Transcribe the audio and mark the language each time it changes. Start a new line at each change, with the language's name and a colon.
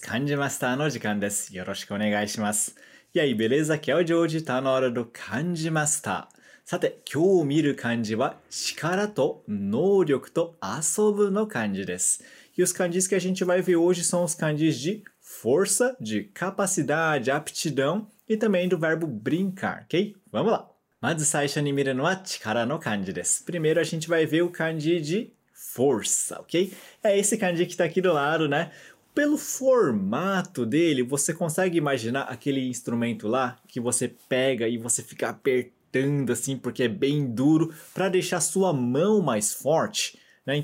Japanese: 漢字マスターの時間です。よろしくお願いします。いやい、ベレーザ、今日ジョージ頼る漢字マスター。さて、今日見る漢字は、力と能力と遊ぶの漢字です。
Portuguese: E os漢字que a gente vai ver hoje são os漢字 de força, de capacidade, aptidão e também do verbo brincar, ok? Vamos lá!
Japanese: まず最初に見るのは力の漢字です。
Portuguese: Primeiro a gente vai ver o 漢字 de força, ok? É esse 漢字que está aqui do lado, né? Pelo formato dele, você consegue imaginar aquele instrumento lá que você pega e você fica apertando assim, porque é bem duro, para deixar sua mão mais forte, né?